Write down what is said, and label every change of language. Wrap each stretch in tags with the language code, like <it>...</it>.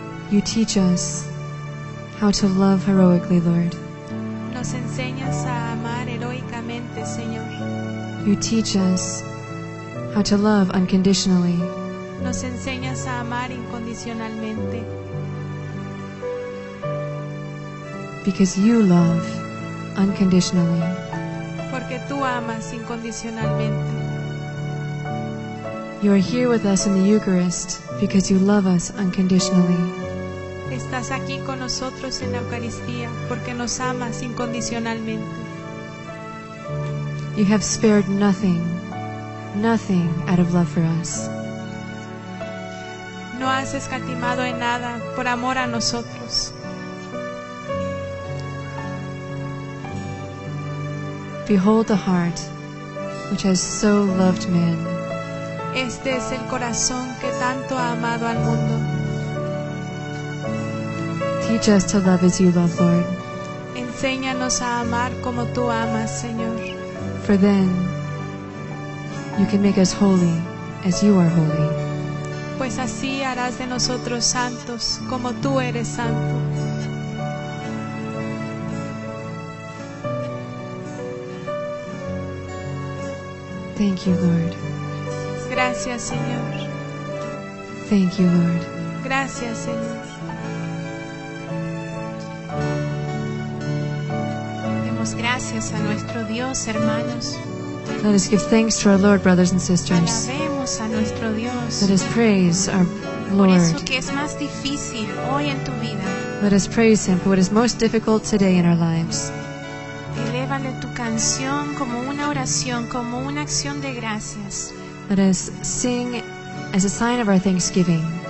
<en>You teach us how to love heroically, Lord.</en> <es>Nos enseñas a amar heroicamente, Señor.</es> <en>You teach us how to love unconditionally.</en> <es>Nos enseñas a amar incondicionalmente.</es> <en>Because you love unconditionally.</en> <es>Porque tú amas incondicionalmente.</es> <en>You are here with us in the Eucharist because you love us unconditionally.</en> <es>Estás aquí con nosotros en la Eucaristía porque nos amas incondicionalmente.</es> <en>You have spared nothing, nothing out of love for us.</en> <es>No has escatimado en nada por amor a nosotros.</es> <en>Behold the heart which has so loved man.</en> <es>Este es el corazón que tanto ha amado al mundo.</es> <en>Teach us to love as you love, Lord.</en> <es>Enséñanos a amar como tú amas, Señor.</es> <en>For then you can make us holy as you are holy.</en> <es>Pues así harás de nosotros santos como tú eres santo.</es> <en>Thank you, Lord.</en> <es>Gracias, Señor.</es> <en>Thank you, Lord.</en> <es>Gracias, Señor. Demos gracias a nuestro Dios, hermanos.</es> <en>Let us give thanks to our Lord, brothers and sisters.</en> <es>Alabemos a nuestro Dios.</es> <en>Let us praise our Lord.</en> <es>Por eso que es más difícil hoy en tu vida.</es> <en>Let us praise Him for what is most difficult today in our lives.</en> <es>Elévale tu canción como una oración, como una acción de gracias.</es> <en>Let us sing as a sign of our thanksgiving.</en>